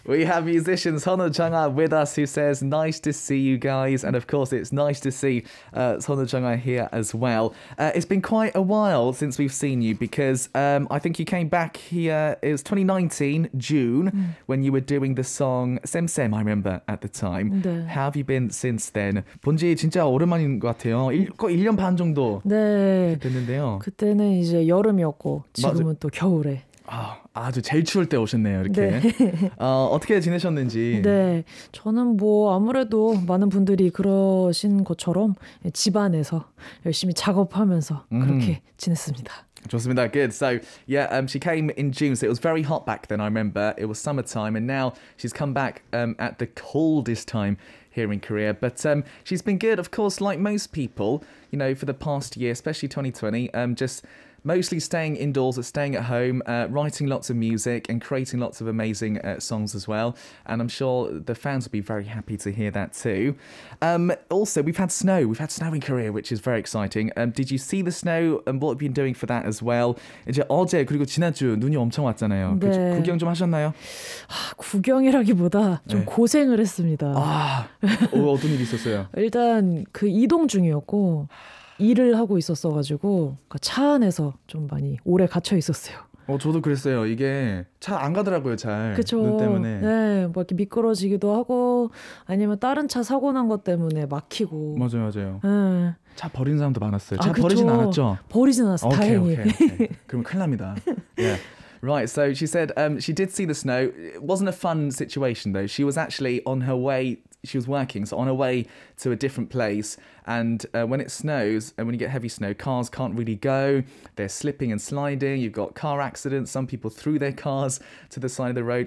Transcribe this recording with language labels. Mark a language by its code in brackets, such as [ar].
[en] We have musician Sunwoojunga with us who says, nice to see you guys. And of course, it's nice to see Sunwoojunga here as well. It's been quite a while since we've seen you because I think you came back here, it was 2019, June, when you were doing the song Sem Sem, I remember at the time. [ko] 네. [en] How have you been since then? [ko] 본 지 진짜 오랜만인 것 같아요. 거의 1년 반 정도 네. 됐는데요. 그때는 이제 여름이었고 지금은 맞아. 또 겨울에. 아, 아주 제일 추울 때 오셨네요, 이렇게. 네. 어떻게 지내셨는지. 네, 저는 뭐 아무래도 많은 분들이 그러신 것처럼 집안에서 열심히 작업하면서 그렇게 지냈습니다. 좋습니다. [en] Good. So, yeah, she came in June, so it was very hot back then, I remember. It was summertime, and now she's come back at the coldest time here in Korea. But she's been good, of course, like most people, you know, for the past year, especially 2020, just mostly staying indoors, staying at home, writing lots of music and creating lots of amazing songs as well. And I'm sure the fans will be very happy to hear that too. Also, we've had snow. We've had snow in Korea, which is very exciting. Did you see the snow and what have you been doing for that as well? [ko] 이제 어제 그리고 지난주 눈이 엄청 왔잖아요. 네. 그 구경 좀 하셨나요? 아, 구경이라기보다 좀 네. 고생을 했습니다. 아, 어떤 일이 있었어요? 일단 그 이동 중이었고 일을 하고 있었어가지고 차 안에서 좀 많이 오래 갇혀 있었어요. 저도 그랬어요. 이게 차 안 가더라고요, 잘. 그쵸. 눈 때문에. 네, 막 이렇게 미끄러지기도 하고 아니면 다른 차 사고 난 것 때문에 막히고. 맞아요, 맞아요. 네. 차 버린 사람도 많았어요. 차 버리진 않았죠? 버리진 않았어요, 오케이, 다행히. 오케이, 오케이. 그러면 큰일 납니다. [en] Yeah. Right, so she said she did see the snow. It wasn't a fun situation, though. She was actually on her way, she was working, so on her way to a different place. And when it snows, and when you get heavy snow, cars can't really go. They're slipping and sliding. You've got car accidents. Some people threw their cars to the side of the road.